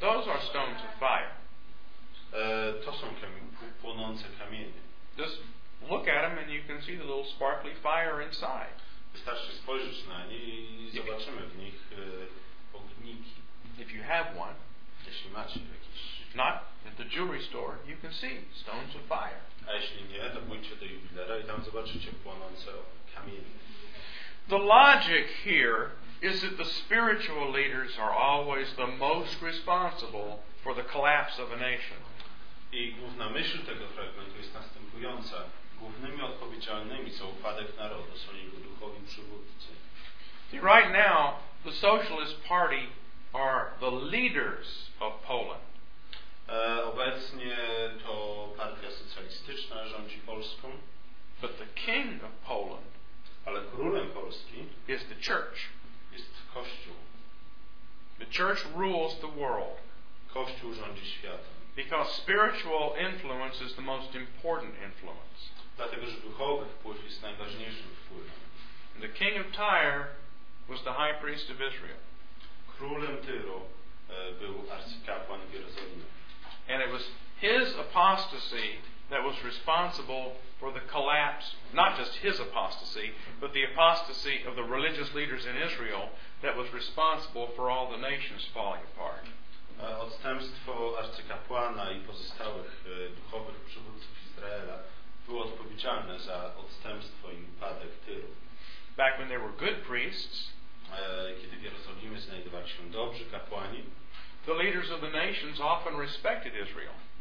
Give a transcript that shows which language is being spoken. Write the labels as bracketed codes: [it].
[en] Those are stones of fire. [pl] To są płonące kamienie. [en] Just look at them and you can see the little sparkly fire inside. [pl] Wystarczy spojrzeć na nie i zobaczymy w nich ogniki. [en] If you have one, [pl] jeśli macie jakieś, [en] not at the jewelry store, you can see stones of fire. [pl] A jeśli nie, to pójdźcie do jubilera i tam zobaczycie płonące kamienie. [en] The logic here is that the spiritual leaders are always the most responsible for the collapse of a nation. [pl] I główna myśl tego fragmentu jest następująca. Głównymi odpowiedzialnymi za upadek narodu są jego duchowi przywódcy. [en] See, right now, the Socialist Party are the leaders of Poland. [pl] Obecnie to partia socjalistyczna rządzi Polską. [en] But the king of Poland, [pl] ale królem Polski, [en] is the church. [pl] Jest Kościół. [en] The church rules the world. [pl] Kościół rządzi światem. [en] Because spiritual influence is the most important influence. [pl] Dlatego, że duchowy wpływ jest najważniejszym wpływem. [en] And the king of Tyre was the high priest of Israel. [pl] Królem Tyru był arcykapłan w Jerozolimie. [en] And it was his apostasy that was responsible for the collapse, not just his apostasy, but the apostasy of the religious leaders in Israel that was responsible for all the nations falling apart. [pl] Odstępstwo arcykapłana i pozostałych duchowych przywódców Izraela było odpowiedzialne za odstępstwo i upadek Tyru. [en] Back when there were good priests, [pl] kiedy w Jerozolimie znajdowali się dobrzy kapłani, [en] the leaders of the nations often respected Israel.